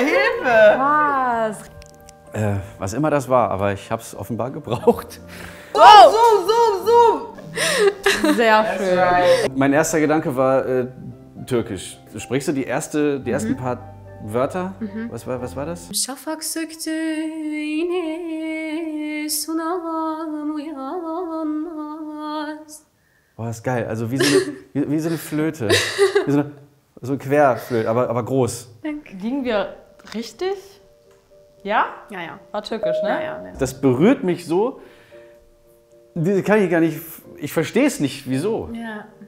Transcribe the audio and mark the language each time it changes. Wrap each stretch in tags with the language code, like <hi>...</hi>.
<de>Hilfe! Was? Was immer das war, aber ich hab's offenbar gebraucht. Zoom, zoom, zoom, zoom! Sehr schön. Mein erster Gedanke war türkisch. Sprichst du die ersten paar Wörter? Mhm. Was war das?</de> <tr>Şafak söktü yine sunam uyanmaz.</tr> <de>Boah, ist geil. Also wie so eine Flöte. Wie so eine Querflöte, aber groß. Gingen wir richtig? Ja? Ja, ja. War türkisch, ne? Ja, ja, ja. Das berührt mich so. Das kann ich gar nicht. Ich verstehe es nicht, wieso. Ja.</de>